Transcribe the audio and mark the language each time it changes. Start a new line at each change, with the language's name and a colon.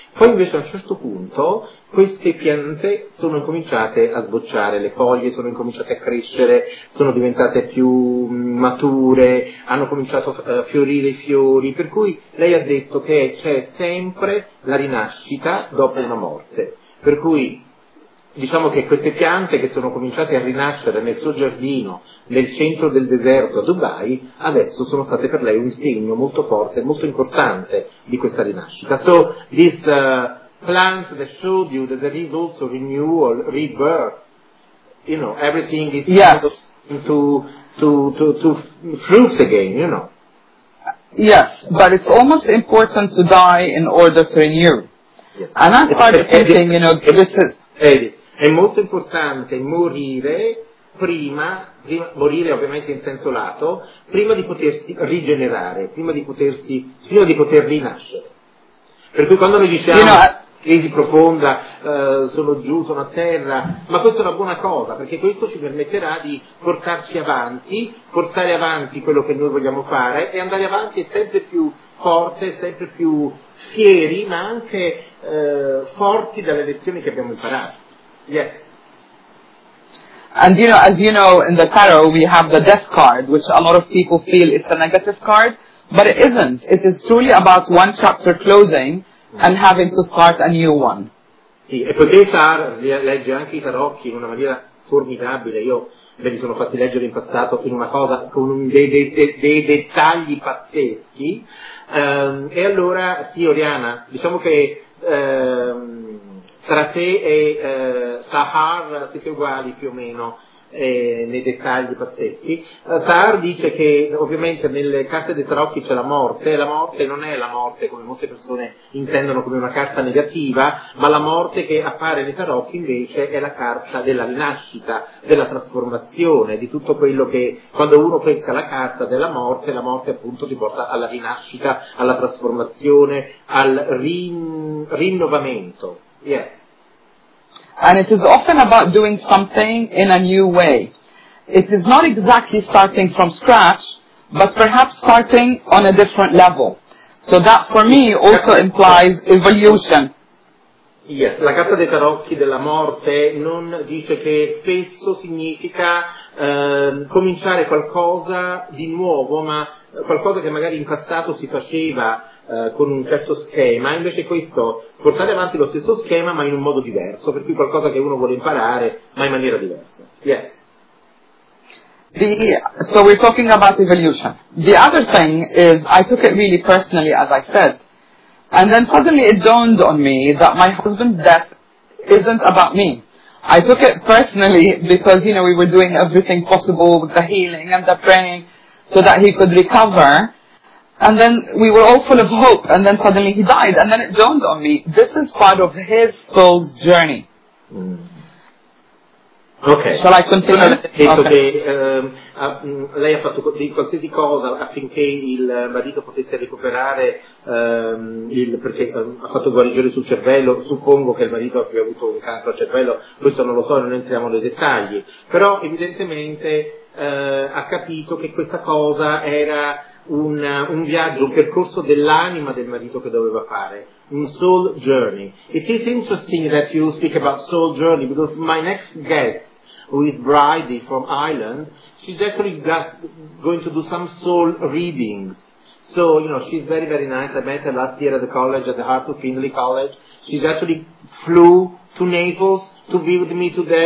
Italian: Poi invece a un certo punto queste piante sono incominciate a sbocciare, le foglie sono incominciate a crescere, sono diventate più mature, hanno cominciato a fiorire i fiori, per cui lei ha detto che c'è sempre la rinascita dopo una morte. Per cui diciamo che queste piante che sono cominciate a rinascere nel suo giardino, nel centro del deserto a Dubai, adesso sono state per lei un segno molto forte, molto importante di questa rinascita.
English: So this plant that showed you that there is also renewal, rebirth. You know, everything is yes. to fruit again, you know. Yes, but it's almost important to die in order to renew. Yes. And I started thinking, you know, this is...
Italian: È molto importante morire prima, morire ovviamente in senso lato, prima di potersi rigenerare, prima di poter rinascere. Per cui quando noi diciamo,
English: you know,
Italian: crisi profonda, sono giù, sono a terra, ma questa è una buona cosa, perché questo ci permetterà di portare avanti quello che noi vogliamo fare e andare avanti sempre più forte, sempre più fieri, ma anche forti dalle lezioni che abbiamo imparato.
English: Yes. And you know, as you know, in the tarot we have the death card, which a lot of people feel it's a negative card, but it isn't. It is truly about one chapter closing and having to start a new one.
Italian: Sì, e poiché legge anche i tarocchi in una maniera formidabile, io me li sono fatti leggere in passato in una cosa con dei dettagli pazzeschi, e allora, sì, Oriana, diciamo che tra te e Sahar siete uguali più o meno nei dettagli pazzeschi. Sahar dice che ovviamente nelle carte dei tarocchi c'è la morte, e la morte non è la morte come molte persone intendono come una carta negativa, ma la morte che appare nei tarocchi invece è la carta della rinascita, della trasformazione, di tutto quello che quando uno pesca la carta della morte, la morte appunto ti porta alla rinascita, alla trasformazione, al rinnovamento.
English: Yes. And it is often about doing something in a new way. It is not exactly starting from scratch, but perhaps starting on a different level. So that for me also implies evolution.
Italian: Yes, la carta dei tarocchi della morte non dice che spesso significa cominciare qualcosa di nuovo, ma qualcosa che magari in passato si faceva con un certo schema, invece questo portare avanti lo stesso schema ma in un modo diverso, per cui qualcosa che uno vuole imparare ma in maniera diversa.
English: Yes. So we're talking about evolution. The other thing is I took it really personally, as I said, and then suddenly it dawned on me that my husband's death isn't about me. I took it personally because, you know, we were doing everything possible with the healing and the praying so that he could recover. And then we were all full of hope, and then suddenly he died. And then it dawned on me, this is part of his soul's journey. Mm. Okay. Shall I continue?
Italian: Lei ha fatto di qualsiasi cosa affinché il marito potesse recuperare, perché ha fatto guarigione sul cervello, suppongo che il marito abbia avuto un cancro al cervello, questo non lo so, non entriamo nei dettagli. Però evidentemente ha capito che questa cosa era un viaggio, un percorso dell'anima del marito che doveva fare, un soul journey.
English: It is interesting that you speak about soul journey because my next guest, who is Bridie from Ireland, she's actually going to do some soul readings. So, you know, she's very, very nice. I met her last year at the college, at the Heart of Findlay College. She's actually flew to Naples to be with me today.